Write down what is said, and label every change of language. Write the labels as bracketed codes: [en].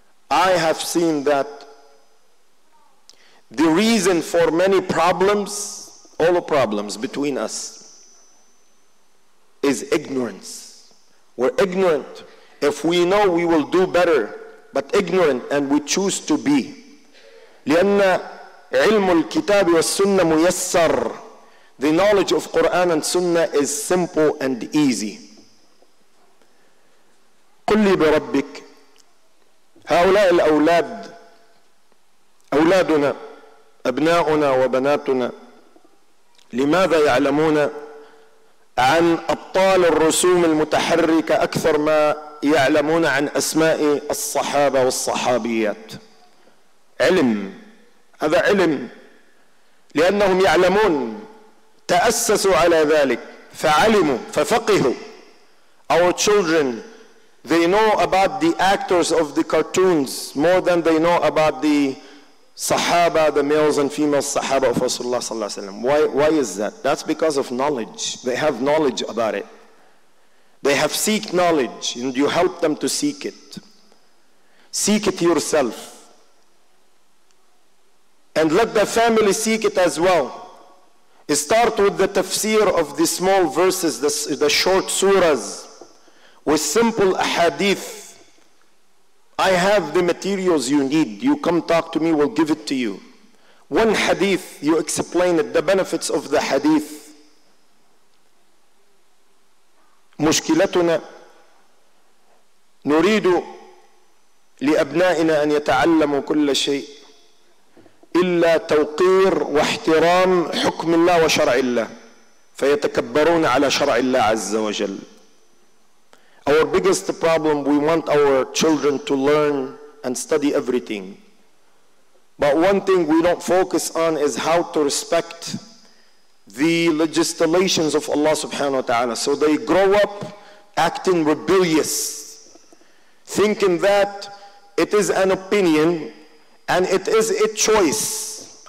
[en] I have seen that the reason for many problems, all the problems between us, is ignorance. We're ignorant. If we know, we will do better. But ignorant, and we choose to be. [ar] لأن علم الكتاب والسنة ميسر. [en] The knowledge of Quran and Sunnah is simple and easy. [ar] قل لي بربك. هؤلاء الأولاد، أولادنا، أبناؤنا وبناتنا، لماذا يعلمون عن أبطال الرسوم المتحركة أكثر ما يعلمون عن أسماء الصحابة والصحابيات؟ علم، هذا علم، لأنهم يعلمون، تأسسوا على ذلك فعلموا ففقهوا. [en] Our children, they know about the actors of the cartoons more than they know about the Sahaba, the males and females Sahaba of Rasulullah sallallahu alaihi wasallam. Why is that? That's because of knowledge. They have knowledge about it. They have seek knowledge, and you help them to seek it. Seek it yourself, and let the family seek it as well. Start with the tafsir of the small verses, the short surahs, with simple ahadith. I have the materials you need. You come talk to me, we'll give it to you. One hadith, you explain it, the benefits of the hadith. [ar] مشكلتنا نريد لأبنائنا أن يتعلموا كل شيء إلا توقير واحترام حكم الله وشرع الله، فيتكبرون على شرع الله عز وجل. [en] Our biggest problem, we want our children to learn and study everything. But one thing we don't focus on is how to respect the legislations of Allah subhanahu wa ta'ala. So they grow up acting rebellious, thinking that it is an opinion and it is a choice.